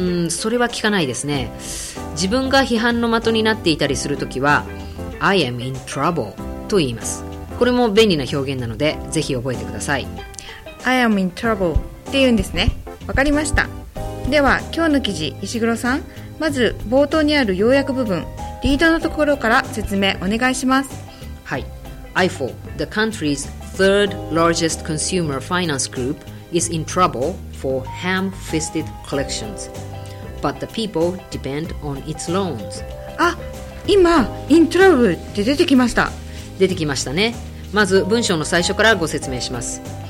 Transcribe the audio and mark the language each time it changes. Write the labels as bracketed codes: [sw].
[ja] それは聞かないですね。自分が批判の的になっていたりするときは [en] I am in trouble [ja] と言います。これも便利な表現なのでぜひ覚えてください。 [en] I am in trouble [ja] って言うんですね。わかりました。では今日の記事、石黒さん、まず冒頭にある要約部分リードのところから説明お願いします。はい。 [en] IFO, the country's third largest consumer finance group is in trouble for ham-fisted collectionsBut the people depend on its loans. [ja] あ、今 [en] in trouble [ja] って出てきました。出てきましたね。まず文章の最初からご説明します。